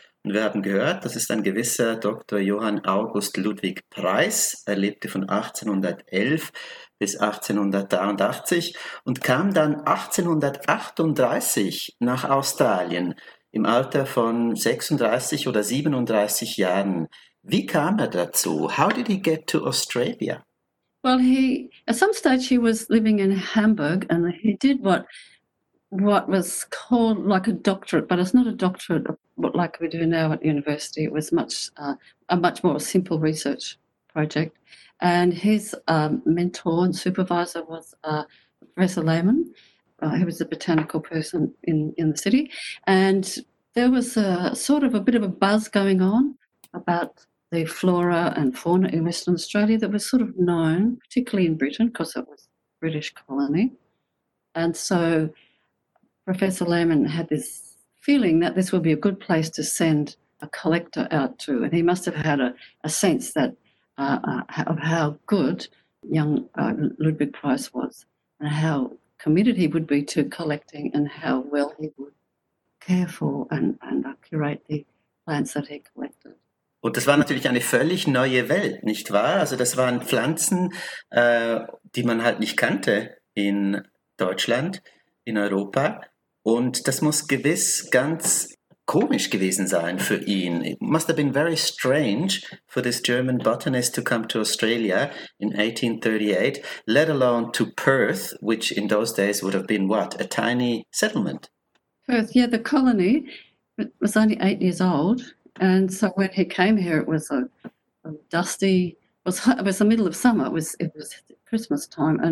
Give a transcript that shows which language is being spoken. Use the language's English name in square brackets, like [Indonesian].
[German] Und wir haben gehört, das ist ein gewisser Dr. Johann August Ludwig Preiss. Er lebte von 1811 bis 1883 und kam dann 1838 nach Australien im Alter von 36 oder 37 Jahren. Wie kam er dazu? [English] How did he get to Australia? Well, at some stage he was living in Hamburg, and he did what was called like a doctorate, but it's not a doctorate like we do now at university. It was a much more simple research project. And his mentor and supervisor was Professor Lehmann. He was a botanical person in the city. And there was a sort of a bit of a buzz going on about the flora and fauna in Western Australia that was sort of known, particularly in Britain, because it was a British colony. And so Professor Lehmann had this feeling that this would be a good place to send a collector out to. And he must have had a sense that of how good young Ludwig Preiss was and how committed he would be to collecting and how well he would care for and curate the plants that he collected. [German] Und das war natürlich eine völlig neue Welt, nicht wahr? Also das waren Pflanzen, die man halt nicht kannte in Deutschland, in Europa. Und das muss gewiss ganz komisch gewesen sein für ihn. [English] It must have been very strange for this German botanist to come to Australia in 1838, let alone to Perth, which in those days would have been what? A tiny settlement. Perth, yeah, the colony was only 8 years old. And so when he came here, it was a dusty, it was the middle of summer, it was Christmas time.